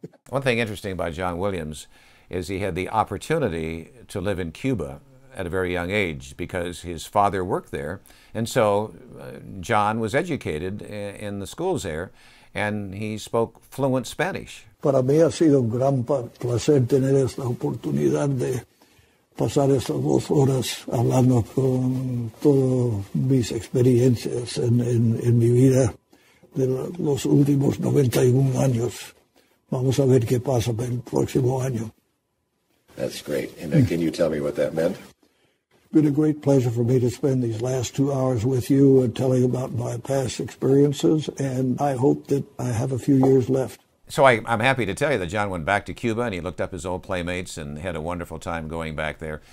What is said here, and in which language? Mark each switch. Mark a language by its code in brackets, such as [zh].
[en] One thing interesting about John Williams is he had the opportunity to live in Cuba at a very young age because his father worked there. And so John was educated in the schools there, and he spoke fluent Spanish. [es] Para mí ha sido un gran placer tener esta oportunidad de pasar estas dos horas hablando con todas mis experiencias en mi vida de los últimos 91 años. Vamos a ver qué pasa el próximo año. [en] That's great. And can you tell me what that meant? It's been a great pleasure for me to spend these last 2 hours with you and telling about my past experiences, and I hope that I have a few years left. So I'm happy to tell you that John went back to Cuba and he looked up his old playmates and had a wonderful time going back there.